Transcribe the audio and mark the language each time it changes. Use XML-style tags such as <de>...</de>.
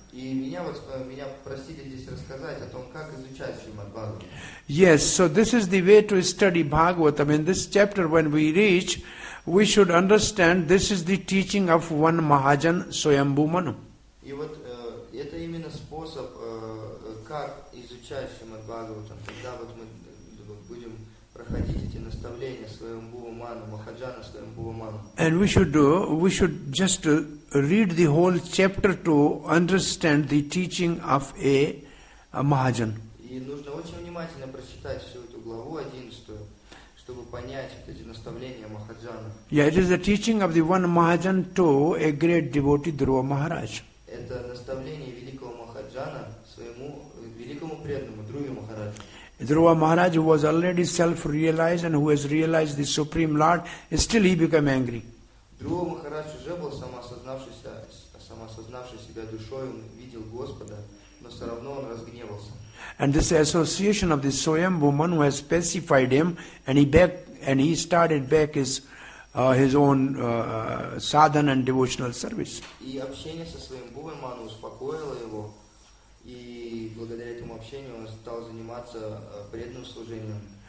<ru>И меня просили здесь рассказать о том, как изучать Шримад Бхагаватам.</ru> <en>Yes. So this is the way to study Bhagavatam. In this chapter, when we reach, we should understand this is the teaching of one Mahajan, Swayambhu Manu.</en> <ru>И вот это именно способ, как изучать Шримад Бхагаватам. Когда вот мы будем проходить эти наставления Свамбху Ману, Махаджана Свамбху Ману.</ru> <en>And we should just read the whole chapter to understand the teaching of a Mahajan.</en> <ru>И нужно очень внимательно прочитать всю эту главу 11, чтобы понять вот эти наставления Махаджана.</ru> <en>Yeah, it is the teaching of the one Mahajan to a great devotee Dhruva Maharaj.</en> <ru>Это наставление великого Махаджана своему великому преданному Друве Махараджу.</ru> <en>Dhruva Maharaj, who was already self-realized and who has realized the Supreme Lord, still he became angry.</en> <ru>Dhruva Maharaj уже был самосознавшийся себя душой, он видел Господа, но все равно он разгневался.</ru> <en>And this association of the Swayambhu man who has pacified him, and he started back his own sadhana and devotional service.</en> <ru>И общение со своим Бхуманом успокоило его, и благодаря этому общению он стал заниматься преданным служением.</ru>